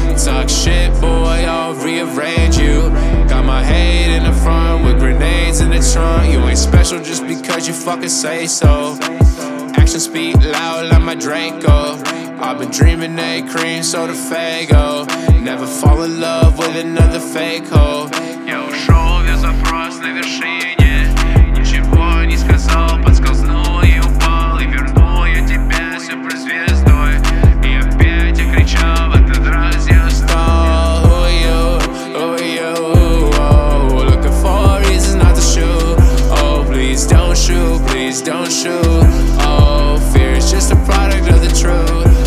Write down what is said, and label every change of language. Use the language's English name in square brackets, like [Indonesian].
[English] Talk shit, boy, I'll rearrange you. Got my hate in the front with grenades in the trunk. You ain't special just because you fucking say so. Action speak loud like my Draco. I've been dreaming a cream soda Faygo. Never fall in love with another fake hoe. [Russian] Я ушел без вопрос на вершине. Ничего не сказал, подскользнул и упал. И вернул я тебя суперзвездой. И опять я кричал, в этот раз я устал. [English] Who are you? Who are you? Oh, looking for reasons not to shoot. Oh, please don't shoot, please don't shoot. Oh, fear is just a product of the truth.